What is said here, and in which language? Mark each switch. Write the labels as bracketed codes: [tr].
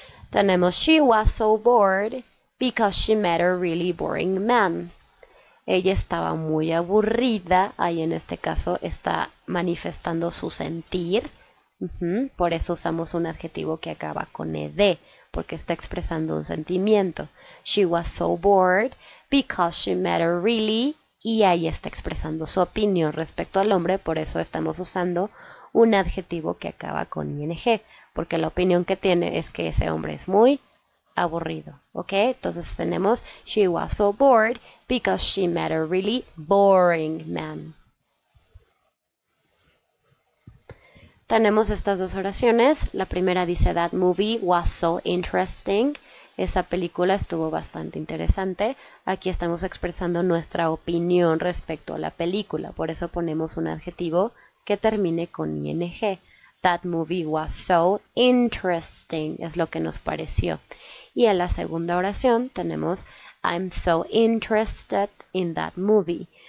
[es] Tenemos, [en] she was so bored because she met a really boring man. [es] Ella estaba muy aburrida, ahí en este caso está manifestando su sentir. Por eso usamos un adjetivo que acaba con ed, porque está expresando un sentimiento. [en] She was so bored because she met a really, [es] y ahí está expresando su opinión respecto al hombre, por eso estamos usando un adjetivo que acaba con ing, porque la opinión que tiene es que ese hombre es muy aburrido, ¿ok? Entonces tenemos, [en] she was so bored because she met a really boring man. [es] Tenemos estas dos oraciones. La primera dice, [en] that movie was so interesting. [es] Esa película estuvo bastante interesante. Aquí estamos expresando nuestra opinión respecto a la película. Por eso ponemos un adjetivo que termine con ing. [en] That movie was so interesting. [es] Es lo que nos pareció. Y en la segunda oración tenemos, [en] I'm so interested in that movie.